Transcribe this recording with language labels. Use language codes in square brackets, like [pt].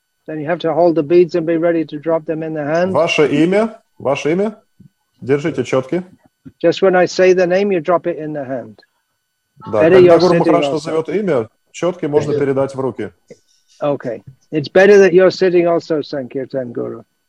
[en] Then you have to hold the beads and be ready to drop them in the hand. [ru] Ваше имя. Держите четки. [en] Just when I say the name, you drop it in the hand. [ru] Да, better когда Гуру Махарадж назовет имя, четки можно передать в руки. [en] Okay. It's better that you're sitting also, Sankirtan Guru.